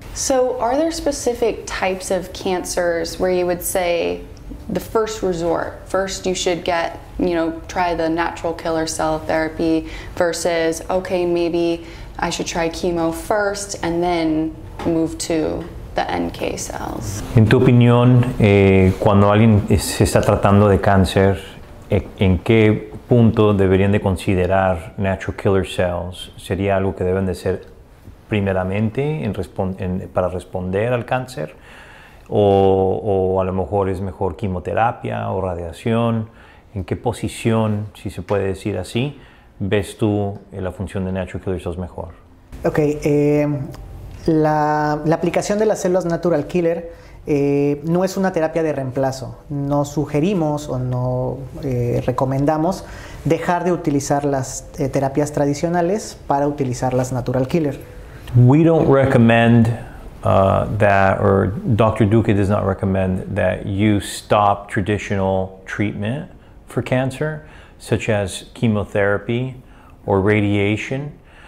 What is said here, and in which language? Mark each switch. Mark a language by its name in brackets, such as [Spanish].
[English] So are there specific types of cancers where you would say the first resort, first you should get, try the natural killer cell therapy versus, okay, maybe I should try chemo first and then move to the NK cells? [Spanish] En tu opinión, cuando alguien se está tratando de cáncer, ¿en qué punto deberían de considerar natural killer cells? ¿Sería algo que deben de ser primeramente para responder al cáncer? O a lo mejor es mejor quimioterapia o radiación? ¿En qué posición, si se puede decir así, ves tú la función de natural killer cells mejor? Ok, la aplicación de las células natural killer no es una terapia de reemplazo. No sugerimos o no recomendamos dejar de utilizar las terapias tradicionales para utilizar las natural killer. [English] We don't recommend that, or Dr. Duque does not recommend that you stop traditional treatment for cancer, such as chemotherapy or radiation.